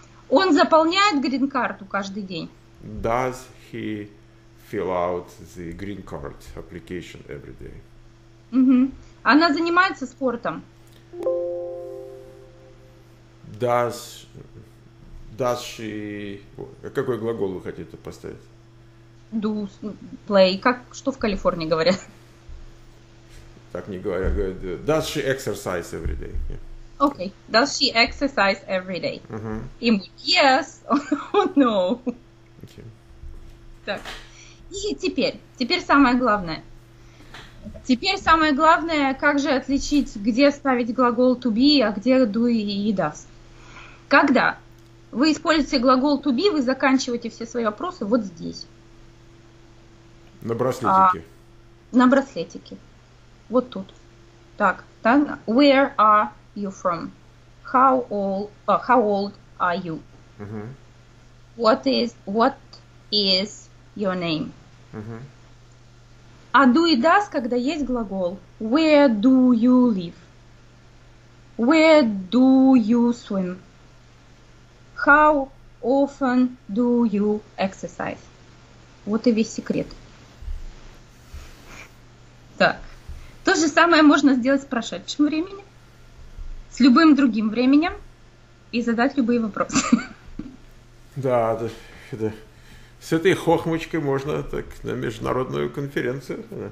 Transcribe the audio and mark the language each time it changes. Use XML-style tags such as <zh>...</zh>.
<ru>Он заполняет грин-карту каждый день?</ru> <en>Does he fill out the green card application every day?</en> <ru>Угу. Она занимается спортом?</ru> <en>Does she...</en> <ru>Какой глагол вы хотите поставить? Do, play. Как, что в Калифорнии говорят? так не говоря, говорит,</ru> <en>does she exercise every day? Okay, does she exercise every day? Yes or no?</en> <ru>Так, и теперь самое главное. Теперь самое главное, как же отличить, где ставить глагол to be, а где do и does. Когда вы используете глагол to be, вы заканчиваете все свои вопросы вот здесь. На браслетике. На браслетике. Вот тут.</ru> <en>Так, where are you from? How old are you? What is your name?</en> <ru>А do и does, когда есть глагол.</ru> <en>Where do you live? Where do you swim? How often do you exercise?</en> <ru>Вот и весь секрет. Так. То же самое можно сделать с прошедшим временем, с любым другим временем и задать любые вопросы. Да, да. С этой хохмочкой можно так на международную конференцию.</ru>